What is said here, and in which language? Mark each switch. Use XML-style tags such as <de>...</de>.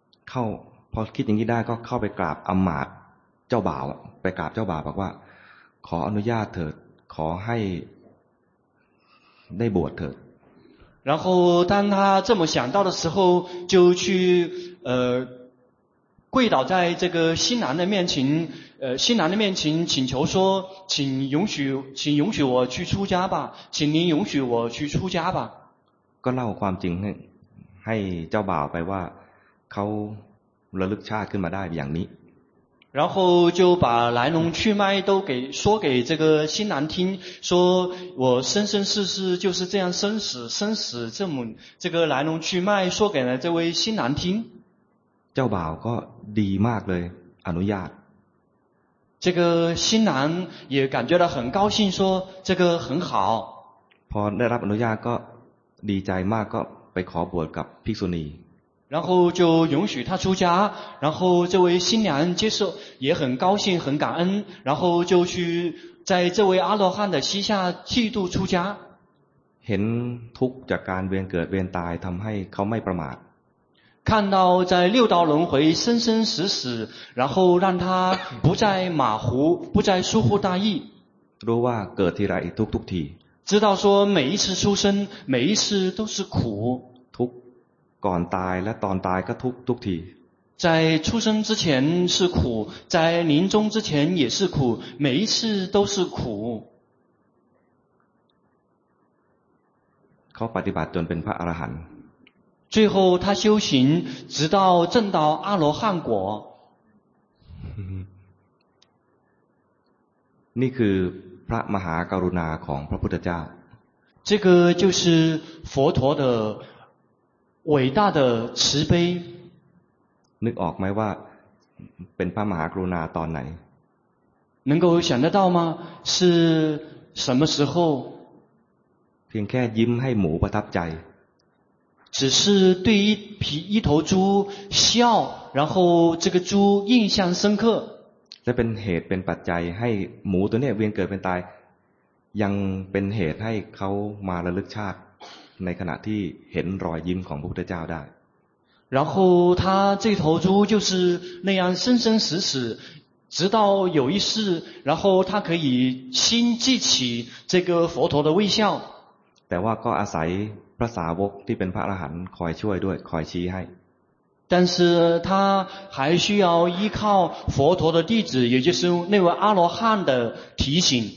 <th>เข้าพอคิดอย่างนี้ได้ก็เข้าไปกราบอมาตย์เจ้าบ่าวไปกราบเจ้าบ่าวบอกว่าขออนุญาตเถิดขอให้ได้บวชเถิด</th> <zh>然后当他这么想到的时候就去跪倒在这个新郎的面前新郎的面前请求说请允许我去出家吧请您允许我去出家吧</zh> <th>ก็เล่าความจริงให้เจ้าบ่าวไปว่าเขาระลึกชาติขึ้นมาได้อย่างนี้</th> <zh>然后就把来龙去脉都给说给这个新郎听说我生生世世就是这样生死这么这个来龙去脉说给了这位新郎听</zh> <th>เจ้าบ่าวก็ดีมากเลยอนุญาต</th> <zh>这个新郎也感觉到很高兴说这个很好</zh> <th>พอได้รับอนุญาตก็ดีใจมากก็ไปขอบวชกับภิกษุณี</th> <zh>然后就允许他出家然后这位新娘接受也很高兴很感恩然后就去在这位阿罗汉的膝下剃度出家</zh> <th>เห็นทุกข์จากการเวียนเกิดเวียนตายทำให้เขาไม่ประมาท</th> <zh>看到在六道轮回生生死死然后让他不再马虎不再疏忽大意</zh> <th>รู้ว่าเกิดทีไรทุกทุกที</th> <zh>知道说每一次出生每一次都是苦</zh> <th>ก่อนตายและตอนตายก็ทุกที</th> <zh>在出生之前是苦在临终之前也是苦每一次都是苦</zh> <th>เขาปฏิบัติจนเป็นพระอรหันต์</th> <zh>最后他修行直到证到阿罗汉果</zh> <th>นี่คือพระมหากรุณาของพระพุทธเจ้า</th> <zh>这个就是佛陀的伟大的慈悲</zh> <th>นึกออกไหมว่าเป็นพระมหากรุณาตอนไหน</th> <zh>能够想得到吗是什么时候</zh> <th>เพียงแค่ยิ้มให้หมูประทับใจ</th> <zh>只是对一头猪笑然后这个猪印象深刻</zh> <th>และเป็นเหตุเป็นปัจจัยให้หมูตัวนี้เวียนเกิดเป็นตายยังเป็นเหตุให้เขามาระลึกชาติในขณะที่เห็นรอยยิ้มของพระพุทธเจ้าได้</th> <zh>然后他这头猪就是那样生生死死直到有一世然后他可以心记起这个佛陀的微笑</zh> <th>แต่ว่าก็อาศัยพระสาวกที่เป็นพระอรหันต์คอยช่วยด้วยคอยชี้ให้</th> <zh>但是他还需要依靠佛陀的弟子也就是那位阿罗汉的提醒</zh>